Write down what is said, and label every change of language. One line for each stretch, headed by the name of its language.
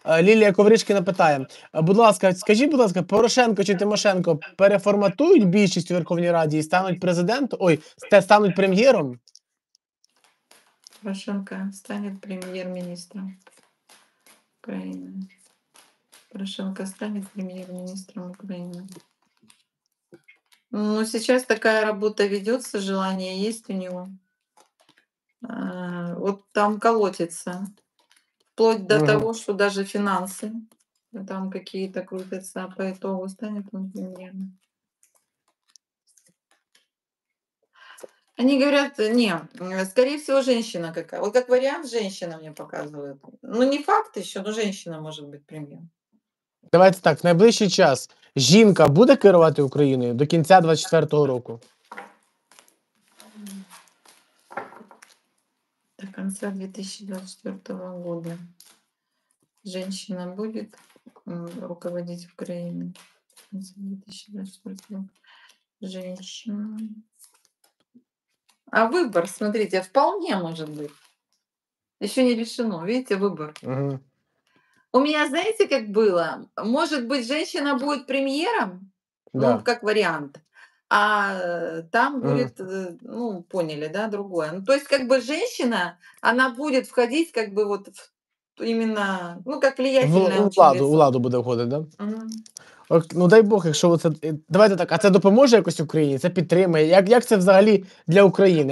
Ukrainian: Лілія Ковришкіна питає. Будь ласка, скажіть, будь ласка, Порошенко чи Тимошенко переформатують більшість у Верховній Раді і стануть президентом? Ой, стануть прем'єром? Порошенко стане прем'єр-міністром України.
Russian: Порошенко станет премьер-министром Украины. Ну, сейчас такая работа ведется, желание есть у него. Вот там колотится. Вплоть до того, что даже финансы там какие-то крутятся, а по итогу станет он премьером. Они говорят, не, скорее всего, женщина какая. Вот как вариант, женщина мне показывает. Ну, не факт еще, но женщина может быть премьером.
Ukrainian: Давайте так, в найближчий час жінка буде керувати Україною до кінця 24-го року? До кінця 2024 року жінка буде руководити Україною. До кінця 2024 року жінка. А вибір,
Russian: смотрите, вполне
Ukrainian: може бути. Ще не рішено,
Russian: видите,
Ukrainian: вибір. Угу.
Russian: У меня, знаете, как было? Может быть, женщина будет премьером? Да. Ну, как вариант. А там будет, ну, поняли, да, другое. Ну, то есть, как бы, женщина, она будет входить, как бы, вот, именно, ну, как влиятельная учительница. У ладу будет входить, да? Угу.
Ukrainian: Ну, дай Бог, якщо це... Давайте так, а це допоможе якось Україні? Це підтримує? Як це взагалі для України?